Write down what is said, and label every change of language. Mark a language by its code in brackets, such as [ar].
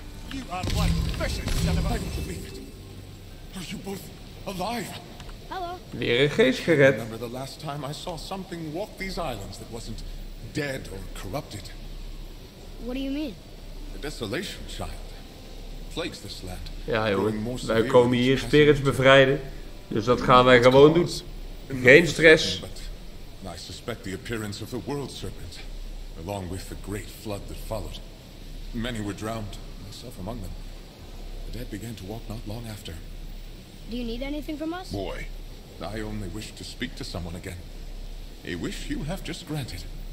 [en] You are one precious son of a bitch! Are you both alive? [nl] Hallo! Weer een geest gered. [en] Remember the last time I saw something walk these islands that wasn't dead or corrupted. What do you mean? A desolation child plagues this land. [nl] Ja jongen, wij komen hier spirits bevrijden. Dus dat gaan wij gewoon doen. Geen stress. [en] I suspect the appearance of the world serpent, along with the great flood that followed. Many were drowned, myself among them. The dead began to walk not long after. Do you need anything from us? Boy, I only wish to speak to someone again. A wish you have just granted.